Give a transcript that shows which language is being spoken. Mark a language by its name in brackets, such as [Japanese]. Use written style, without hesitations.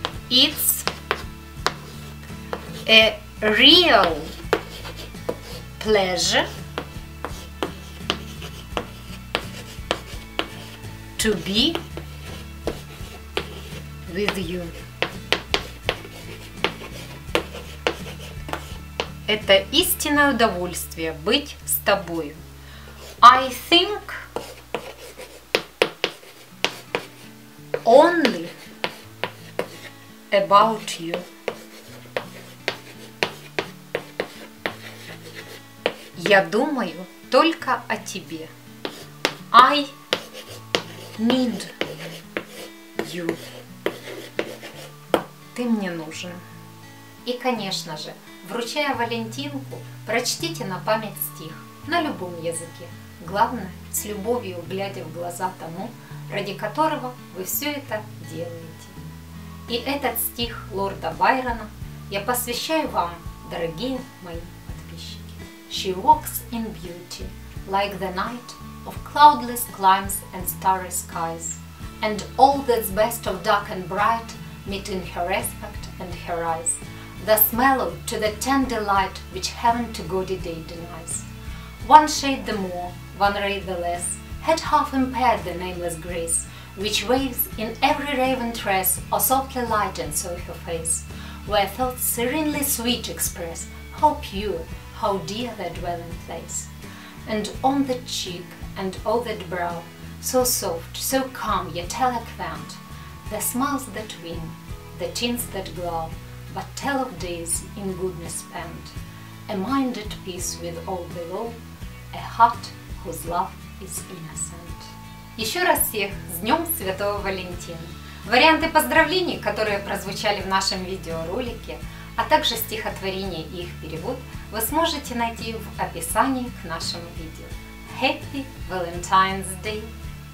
[English] It's a real pleasure to be with you. [Russian] Это истинное удовольствие быть с тобою. [English] I think only about you. [Russian] Я думаю только о тебе. [English] I need you. [Russian] Ты мне нужен. И, конечно же, вручая валентинку, прочтите на память стих на любом языке. Главное, с любовью глядя в глаза тому, ради которого вы все это делаете. И этот стих лорда Байрона я посвящаю вам, дорогие мои подписчики. [English] She walks in beauty, like the night of cloudless climes and starry skies, and all that's best of dark and bright meet in her aspect and her eyes, thus mellow to the tender light which heaven to gaudy day denies. One shade the more, one ray the less, had half impaired the nameless grace, which waves in every raven tress, or softly lightens o'er her face, where thoughts serenely sweet express, how pure, how dear their dwelling place. And on that cheek, and o'er that brow, so soft, so calm, yet eloquent, the smiles that win, the tints that glow, but tell of days in goodness spent, a mind at peace with all below, a heart whose love is innocent. [Russian] Еще раз всех с Днем Святого Валентина! Варианты поздравлений, которые прозвучали в нашем видеоролике, а также стихотворение и их перевод, вы сможете найти в описании к нашему видео. [English] Happy Valentine's Day!